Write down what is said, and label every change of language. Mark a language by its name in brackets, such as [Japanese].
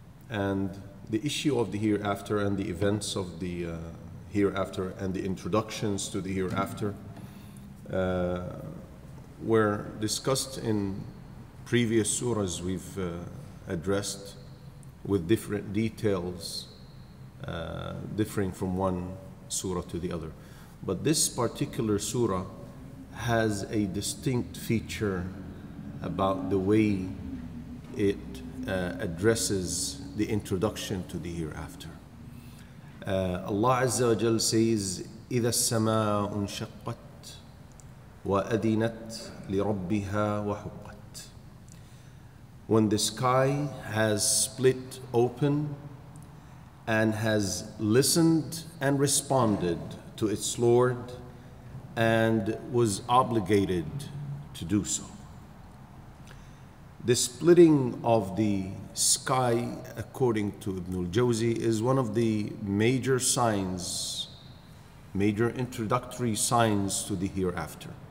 [English] And the issue of the hereafter and the events of the hereafter and the introductions to the hereafter were discussed in previous surahs we've addressed with different details differing from one surah to the other. But this particular surah has a distinct feature about the way it addresses the introduction to the hereafter. [Arabic] Allah Azza wa Jal [English] says, [Arabic] إِذَا السَّمَاءُ انشَقَّتْ وَأَذِنَتْ لِرَبِّهَا وَحُقَّتْ. [English] When the sky has split open and has listened and responded to its Lord and was obligated to do so. The splitting of the sky, according to Ibn al-Jawzi, is one of the major signs, major introductory signs to the hereafter.